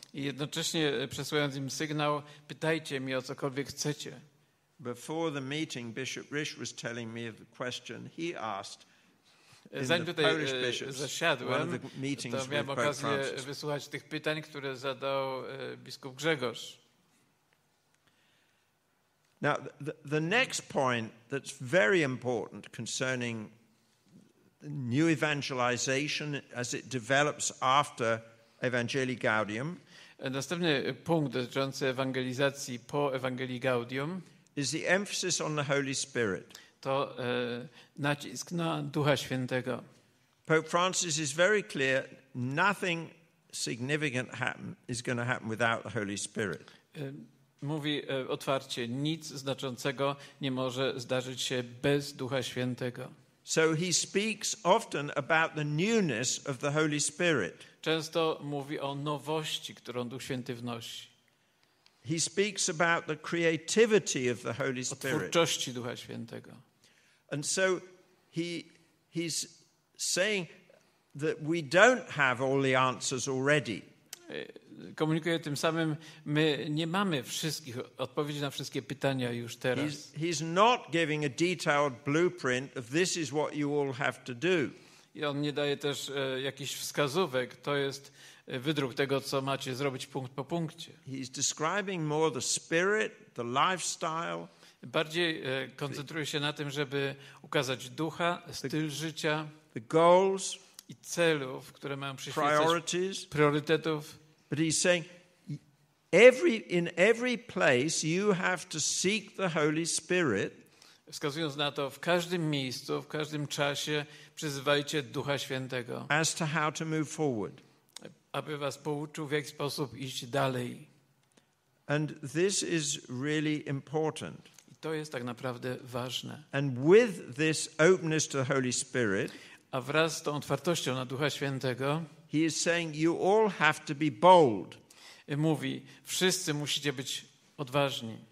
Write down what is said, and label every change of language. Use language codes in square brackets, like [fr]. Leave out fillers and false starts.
[pl] I jednocześnie przesyłając im sygnał, pytajcie mnie o cokolwiek chcecie. [en] Before the meeting, Bishop Rich was telling me of the question he asked in the Polish bishops, one of the meetings with Pope Francis. [pl] To miałem okazję wysłuchać tych pytań, które zadał biskup Grzegorz. [en] Now, the next point that's very important concerning new evangelization as it develops after Evangelii Gaudium. [pl] Następny punkt dotyczący ewangelizacji po Ewangelii Gaudium [en] is the emphasis on the Holy Spirit. [pl] To nacisk na Ducha Świętego. [en] Pope Francis is very clear, nothing significant is going to happen without the Holy Spirit. [pl] Mówi otwarcie, nic znaczącego nie może zdarzyć się bez Ducha Świętego. [en] So he speaks often about the newness of the Holy Spirit. [pl] Często mówi o nowości, którą Duch Święty wnosi. [en] He speaks about the creativity of the Holy Spirit. [pl] O twórczości Ducha Świętego. [en] And so he's saying that we don't have all the answers already. [pl] Komunikuje tym samym, my nie mamy wszystkich odpowiedzi na wszystkie pytania już teraz. [en] He's not giving a detailed blueprint of this is what you all have to do. [pl] I on nie daje też jakichś wskazówek, to jest wydruk tego, co macie zrobić punkt po punkcie. [en] He's describing more the spirit, the lifestyle. [pl] Bardziej koncentruje się na tym, żeby ukazać ducha, styl życia, [en] the goals, [pl] i celów, które mają przyświecać, [en] priorities, [pl] priorytetów. [en] But he's saying, in every place you have to seek the Holy Spirit. [pl] Wskazując na to, w każdym miejscu, w każdym czasie przyzywajcie Ducha Świętego. [en] As to how to move forward. [pl] Aby was pouczył, w jaki sposób iść dalej. [en] And this is really important. [pl] I to jest tak naprawdę ważne. [en] And with this openness to the Holy Spirit, [pl] a wraz z tą otwartością na Ducha Świętego, [en] he is saying you all have to be bold. [pl] Mówi, wszyscy musicie być odważni.